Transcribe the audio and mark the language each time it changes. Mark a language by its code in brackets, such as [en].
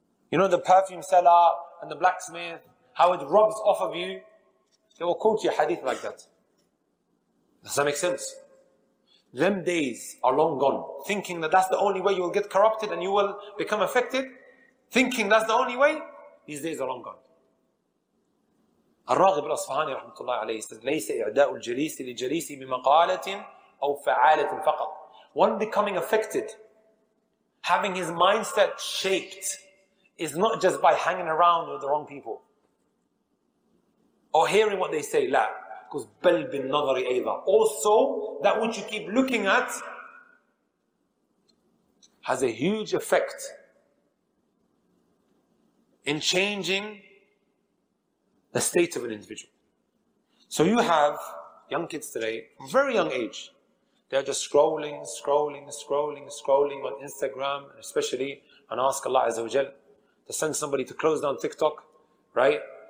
[en] You know, the perfume seller and the blacksmith, how it rubs off of you. They will quote you a hadith like that. Does that make sense? Them days are long gone. Thinking that that's the only way you will get corrupted and you will become affected. Thinking that's the only way. These days are long gone. [ar] الراغب الأصفهاني رحمة الله عليه says, ليس إعداء الجليس لجليس بمقالة أو فعالة فقط. [en] One becoming affected, having his mindset shaped, is not just by hanging around with the wrong people or hearing what they say. [ar] لا, because بل بالنظر أيضا. [en] Also, that which you keep looking at has a huge effect in changing the state of an individual. So you have young kids today, very young age, they're just scrolling, scrolling, scrolling, scrolling on Instagram, especially, and ask Allah Azza wa Jal to send somebody to close down TikTok, right?